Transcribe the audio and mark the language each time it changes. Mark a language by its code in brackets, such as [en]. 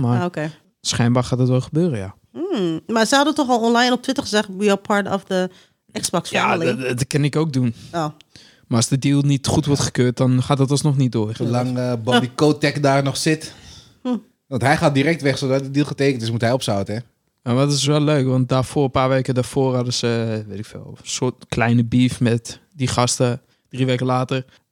[nl] Maar schijnbaar gaat het wel gebeuren, ja. Maar ze hadden toch al online op Twitter gezegd... [en] we are part of the Xbox family. [nl] Ja, dat kan ik ook doen. Oh. Maar als de deal niet goed wordt gekeurd... dan gaat dat alsnog niet door. Zolang Bobby Kotick daar nog zit. Want hij gaat direct weg zodat de deal getekend is... moet hij opzouten, hè? Ja, maar dat is wel leuk, want daarvoor, een paar weken daarvoor... hadden ze, weet ik veel, een soort kleine beef met die gasten. 3 weken later...